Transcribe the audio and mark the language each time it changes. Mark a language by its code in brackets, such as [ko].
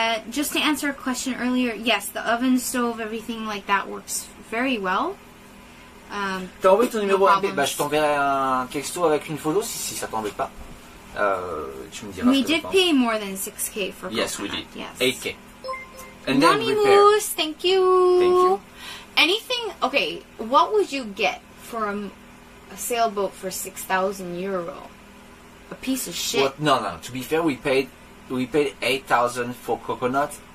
[en] just to answer a question earlier, yes, the oven, stove, everything like that works very well. [fr] T'as envoyé ton numéro MP? Bah, je t'enverrai un texto avec une photo si ça t'embête pas. Tu me diras. [en] We did pay more than 6K for coconut. Yes, we did. Yes. 8K. And then repair. Moose, thank you. Thank you. Anything? Okay, what would you get for a sailboat for 6,000 euro? A piece of shit. Well, no, to be fair, we paid 8,000 for Coconut.